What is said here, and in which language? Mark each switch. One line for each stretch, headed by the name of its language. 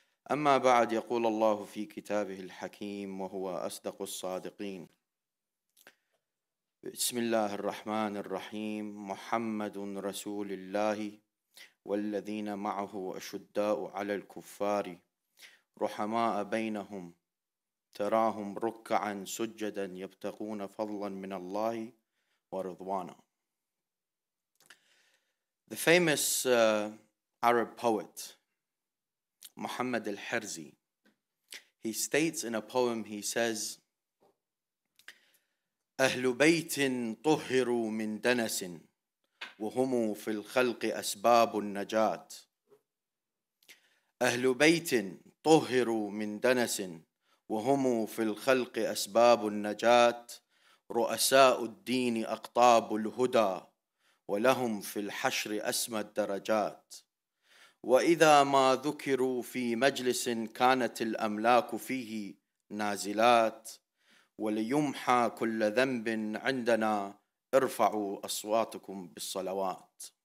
Arabic: أما بعد، يقول الله في كتابه الحكيم وهو أصدق الصادقين، بسم الله الرحمن الرحيم، محمد رسول الله والذين معه أشداء على الكفار رحماء بينهم تراهم ركعا سجدا يبتغون فضلا من الله ورضوانا.
English: The famous Arab poet Muhammad al-Hirzi, he states in a poem, he says,
Arabic: أهل بيت طهروا من دنس وهم في الخلق أسباب النجاة. أهل بيت طهروا من دنس وهم في الخلق أسباب النجاة رؤساء الدين أقطاب الهدى ولهم في الحشر أسمى الدرجات. وإذا ما ذكروا في مجلس كانت الأملاك فيه نازلات وليمحى كل ذنب عندنا ارفعوا أصواتكم بالصلوات.